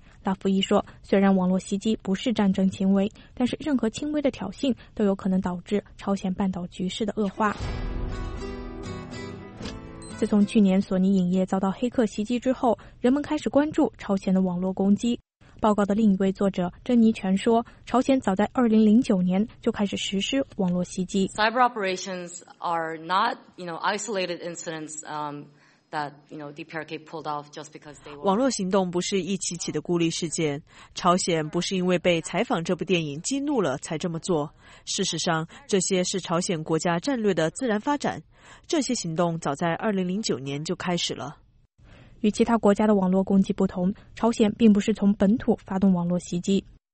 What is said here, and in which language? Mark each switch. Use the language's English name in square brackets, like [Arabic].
[Chinese] 拉夫伊说，虽然网络袭击不是战争行为，但是任何轻微的挑衅都有可能导致朝鲜半岛局势的恶化。自从去年索尼影业遭到黑客袭击之后，人们开始关注朝鲜的网络攻击。报告的另一位作者珍妮泉说，朝鲜早在2009年就开始实施网络袭击。 [English] Cyber operations are not, you know, isolated incidents, DPRK pulled off just because they were... [Chinese] 网络行动不是一起起的孤立事件，朝鲜不是因为被采访这部电影激怒了才这么做，事实上这些是朝鲜国家战略的自然发展，这些行动早在2009年就开始了。与其他国家的网络攻击不同，朝鲜并不是从本土发动网络袭击。